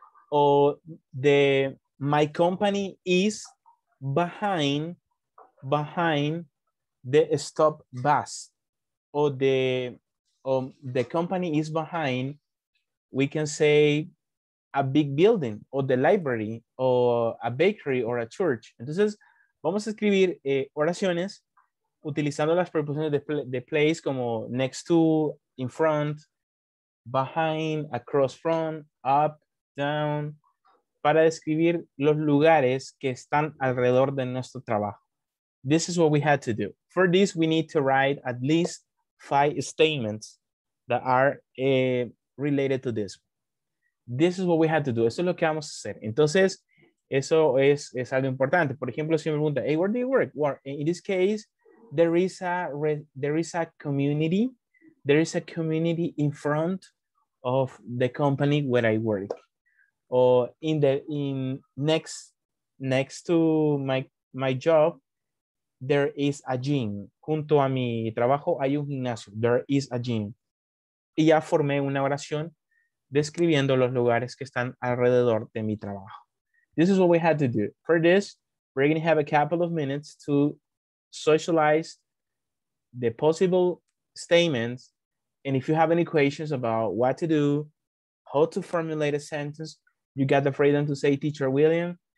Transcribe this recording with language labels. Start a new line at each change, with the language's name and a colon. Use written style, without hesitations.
English: Or my company is behind the stop bus. Or the company is behind, we can say, a big building, or the library, or a bakery, or a church.
Spanish: Entonces, vamos a escribir oraciones utilizando las preposiciones de place como
English: next to, in front, behind, across from, up, down,
Spanish: para describir los lugares que están alrededor de nuestro trabajo.
English: This is what we had to do. For this, we need to write at least 5 statements that are related to this. This is what we had to do.
Spanish: Eso es lo que vamos a hacer. Entonces, eso es algo importante. Por ejemplo, si me pregunta,
English: hey, where do you work? Well, in this case, there is a community in front of the company where I work. Or next to my job, there is a gym.
Spanish: Junto a mi trabajo hay un gimnasio.
English: There is a gym.
Spanish: Y ya formé una oración describiendo los lugares que están alrededor de mi trabajo.
English: This is what we had to do. For this, we're going to have a couple of minutes to socialize the possible statements. And if you have any questions about what to do, how to formulate a sentence, you got the freedom to say, Teacher William,